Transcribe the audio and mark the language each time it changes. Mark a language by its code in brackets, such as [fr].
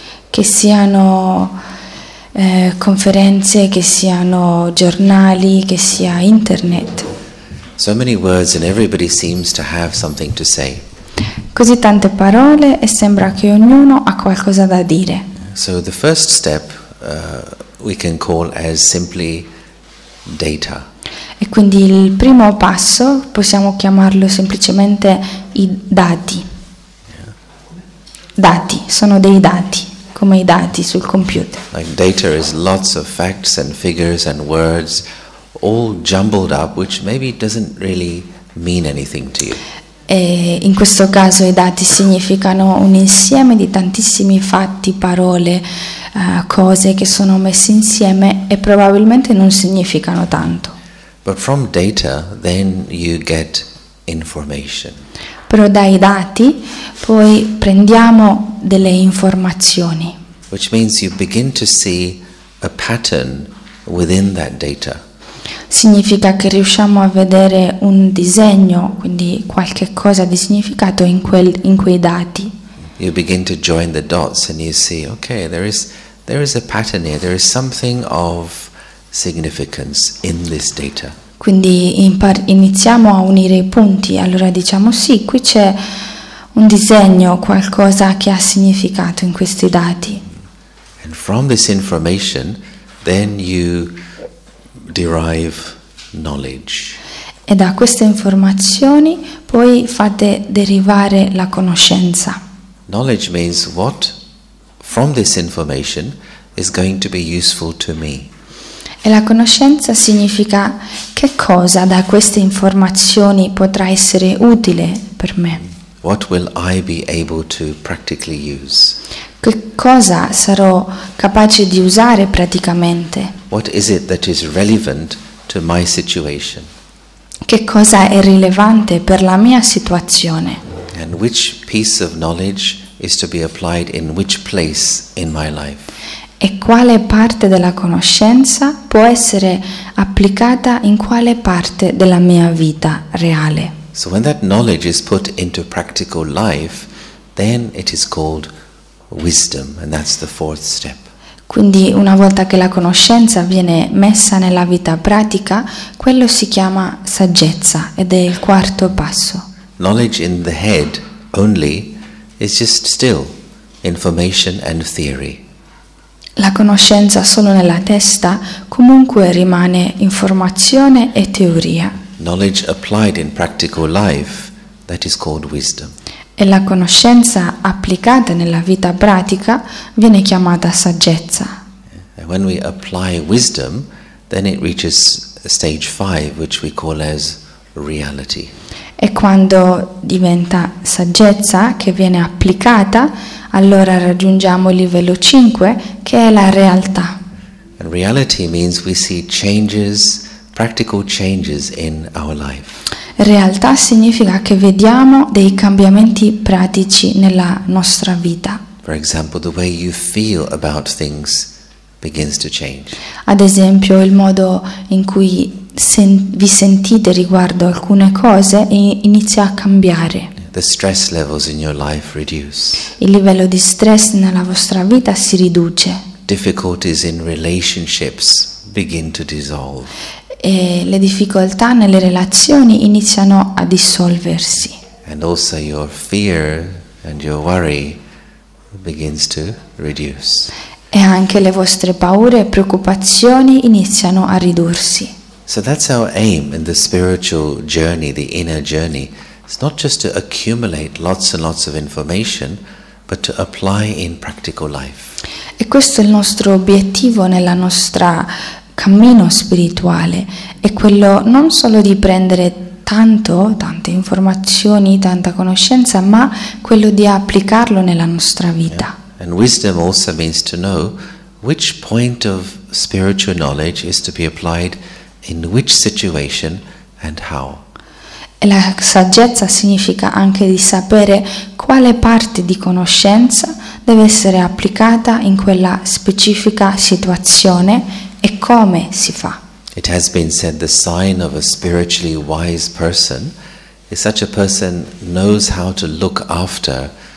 [it] Che siano conferenze, che siano giornali, che sia internet. [en] So many words and everybody seems to have something to say. [it] Così tante parole e sembra che ognuno ha qualcosa da dire. [en] So the first step we can call as simply data. [it] E quindi il primo passo possiamo chiamarlo semplicemente i dati. Dati, sono dei dati, come i dati sul computer. [en] Like data is lots of facts and figures and words all jumbled up, which maybe doesn't really mean anything to you. [it] E in questo caso i dati significano un insieme di tantissimi fatti, parole, cose che sono messe insieme e probabilmente non significano tanto. [en] But from data, then you get information. [it] Però dai dati poi prendiamo delle informazioni. [en] Which means you begin to see a pattern within that data. [it] Significa che riusciamo a vedere un disegno, quindi qualche cosa di significato in quei dati. [en] You begin to join the dots and you see, okay, there is a pattern here, there is something of significance in this data. [it] Quindi iniziamo a unire i punti, allora diciamo sì, qui c'è un disegno, qualcosa che ha significato in questi dati. [en] And from this information, then you derive knowledge. [it] E da queste informazioni poi fate derivare la conoscenza. [en] Knowledge means what from this information is going to be useful to me. [it] E la conoscenza significa che cosa da queste informazioni potrà essere utile per me. [en] What will I be able to practically use? [it] Che cosa sarò capace di usare praticamente? [en] What is it that is relevant to my situation? [it] Che cosa è rilevante per la mia situazione? [en] And which piece of knowledge is to be applied in which place in my life? [it] E quale parte della conoscenza può essere applicata in quale parte della mia vita reale? [en] So when that knowledge is put into practical life, then it is called wisdom, and that's the fourth step. [it] Quindi una volta che la conoscenza viene messa nella vita pratica, quello si chiama saggezza ed è il quarto passo. [en] Knowledge in the head only is just still information and theory. [it] La conoscenza solo nella testa comunque rimane informazione e teoria. [en] Knowledge applied in practical life, that is called wisdom. [it] E la conoscenza applicata nella vita pratica viene chiamata saggezza. [en] And when we apply wisdom, then it reaches stage 5, which we call as reality. [it] E quando diventa saggezza che viene applicata, allora raggiungiamo il livello 5, che è la realtà. [en] And reality means we see changes, practical changes in our life. [it] Realtà significa che vediamo dei cambiamenti pratici nella nostra vita. [en] For example, the way you feel about things begins to change. [it] Ad esempio, il modo in cui vi sentite riguardo alcune cose inizia a cambiare. [en] The stress levels in your life reduce. [it] Il livello di stress nella vostra vita si riduce. [en] Difficulties in relationships begin to dissolve. [it] E le difficoltà nelle relazioni iniziano a dissolversi. [en] And also your fear and your worry begins to reduce. [it] E anche le vostre paure e preoccupazioni iniziano a ridursi. [en] So that's our aim in the spiritual journey, the inner journey. It's not just to accumulate lots and lots of information, but to apply in practical life. [it] E questo è il nostro obiettivo nella nostra cammino spirituale, è quello non solo di prendere tante informazioni, tanta conoscenza, ma quello di applicarlo nella nostra vita. [en] Yeah. And wisdom also means to know which point of spiritual knowledge is to be applied in which situation and how. [it] E la saggezza significa anche di sapere quale parte di conoscenza deve essere applicata in quella specifica situazione e come si fa. [en] It has been said the sign of a spiritually wise person is such a person knows how to look after